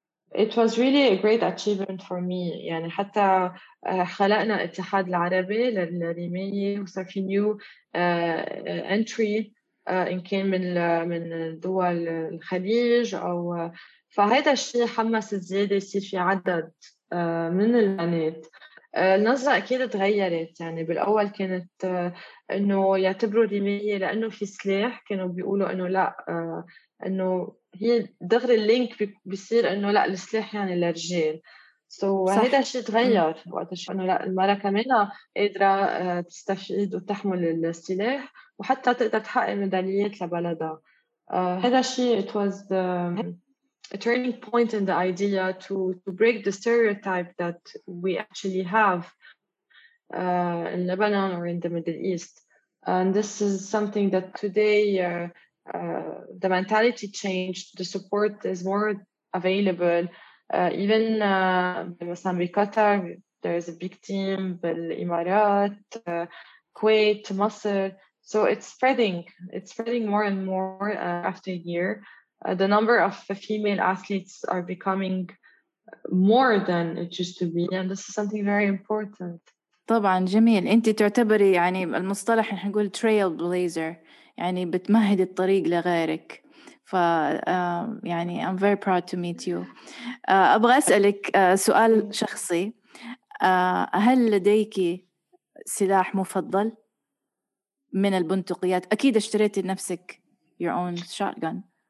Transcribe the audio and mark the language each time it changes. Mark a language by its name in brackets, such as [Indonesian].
[English] It was really a great achievement for me. [Arabic] يعني حتى خلقنا اتحاد العربي للرماية, وصار في new entry إن كان من دول الخليج أو فهذا الشيء حمس الزيادة يصير في عدد من البنات. النظرة أكيد تغيرت. يعني بالأول كانت إنه يعتبروا رماية لأنه في سلاح, كانوا بيقولوا إنه لا, إنه هي دغري اللينك بيصير إنه لا السلاح يعني للرجال. هيدا الشيء تغير وقت شو إنه لا, المرأة كمان قادرة تستفيد وتحمل السلاح وحتى تقدر تحقق ميداليات لبلدها. [English] هيدا الشيء it was a turning point in the idea to break the stereotype that we actually have in Lebanon or in the Middle East. And this is something that today the mentality changed, the support is more available. Even مثلا بقطر there is a big team, بالإمارات, Kuwait, مصر, so it's spreading more and more after a year. The number of female athletes are becoming more than it used to be, and this is something very important. [Arabic] طبعا جميل. انت تعتبري يعني المصطلح نحن نقول trail blazer, يعني بتمهد الطريق لغيرك. [English] ف يعني I'm very proud to meet you. [Arabic] أبغى أسألك سؤال شخصي, هل لديك سلاح مفضل من البندقيات؟ أكيد اشتريتي لنفسك your own shotgun.